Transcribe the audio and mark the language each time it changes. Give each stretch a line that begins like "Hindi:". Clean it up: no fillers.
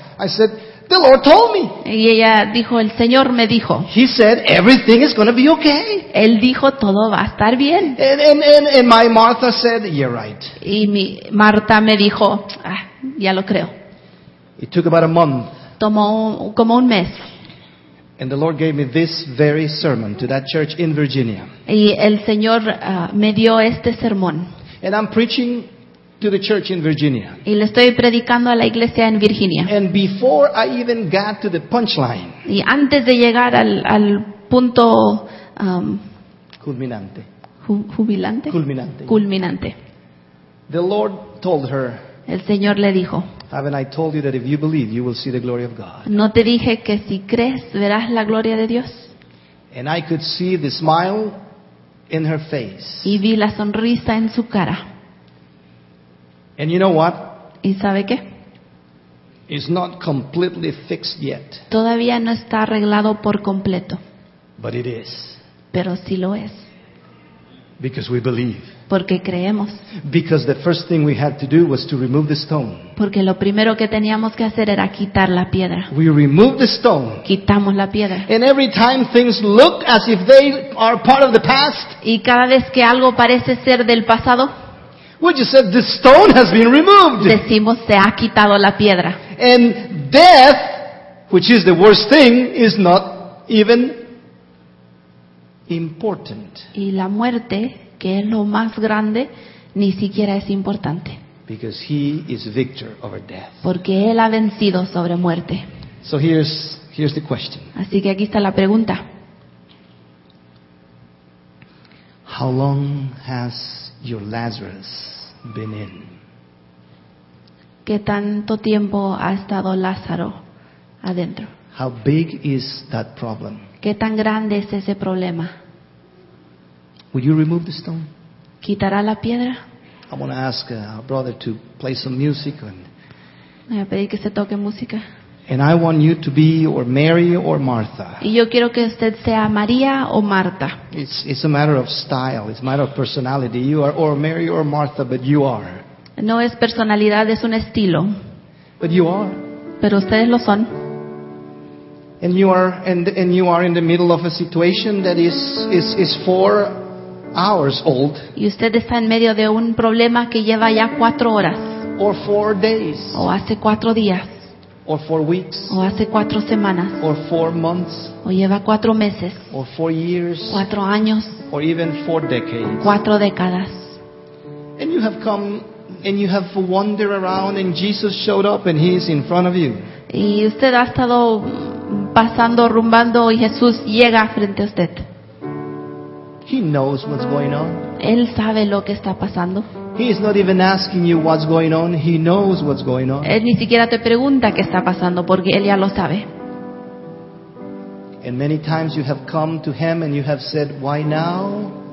English: I said, the Lord told me.
Spanish: Y ella dijo, el Señor me dijo.
English: He said, everything is going to be okay.
Spanish: Él dijo, todo va a estar bien.
English: And my Martha said, you're right.
Spanish: Y mi Marta me dijo, ya lo creo.
English: It took about a month.
Spanish: Tomó como un mes.
English: And the Lord gave me this very sermon to that church in Virginia.
Spanish: Y el Señor me dio este sermón.
English: And I'm preaching to the church in Virginia.
Spanish: Y le estoy predicando a la iglesia en Virginia.
English: And before I even got to the punchline.
Spanish: Y antes de llegar al punto culminante. Jubilante? Culminante.
English: The Lord told her.
Spanish: El Señor le dijo.
English: Haven't I told you that if you believe, you will see the glory of God?
Spanish: ¿No te dije que si crees verás la gloria de Dios?
English: And I could see the smile in her face.
Spanish: Y vi la sonrisa en su cara.
English: And you know what?
Spanish: ¿Y sabe qué?
English: It's not completely fixed yet.
Spanish: Todavía no está arreglado por completo.
English: But it is.
Spanish: Pero sí lo es.
English: Because we believe.
Spanish: Porque creemos.
English: Because the first thing we had to do was to remove the stone.
Spanish: Porque lo primero que teníamos que hacer era quitar la piedra.
English: We removed the stone.
Spanish: Quitamos la piedra.
English: And every time things look as if they are part of the past.
Spanish: Y cada vez que algo parece ser del pasado.
English: We just said the stone has been removed.
Spanish: Decimos se ha quitado la piedra.
English: And death, which is the worst thing, is not even important.
Spanish: Y la muerte, que es lo más grande, ni siquiera es importante.
English: Because he is victor over death.
Spanish: Porque él ha vencido sobre muerte.
English: So here's the question.
Spanish: Así que aquí está la pregunta.
English: How long has your Lazarus been in?
Spanish: ¿Qué tanto tiempo ha estado Lázaro adentro?
English: How big is that problem?
Spanish: ¿Qué tan grande es ese problema?
English: Will you remove the stone?
Spanish: ¿Quitará la piedra?
English: I want to ask our brother to play some music and
Spanish: voy a pedir que se toque música.
English: And I want you to be or Mary or Martha.
Spanish: Y yo quiero que usted sea María o Marta.
English: It's a matter of style. It's a matter of personality. You are or Mary or Martha, but you are.
Spanish: No es personalidad, es un estilo.
English: But you are.
Spanish: Pero ustedes lo son.
English: And you are in the middle of a situation that is 4 hours old.
Spanish: Y usted está en medio de un problema que lleva ya 4 horas.
English: Or 4 days.
Spanish: O hace 4 días.
English: Or 4 weeks.
Spanish: O hace 4 semanas.
English: Or 4 months.
Spanish: O lleva 4 meses.
English: Or 4 years.
Spanish: 4 años.
English: Or even 4 decades.
Spanish: 4 décadas.
English: And you have come and you have wandered around and Jesus showed up and he is in front of you.
Spanish: Y usted ha estado pasando, rumbando, y Jesús llega frente a usted.
English: He knows what's going on.
Spanish: Él sabe lo que está pasando.
English: He is not even asking you what's going on. He knows what's going on.
Spanish: Él ni siquiera te pregunta qué está pasando porque él ya lo sabe.
English: And many times you have come to him and you have said, "Why now?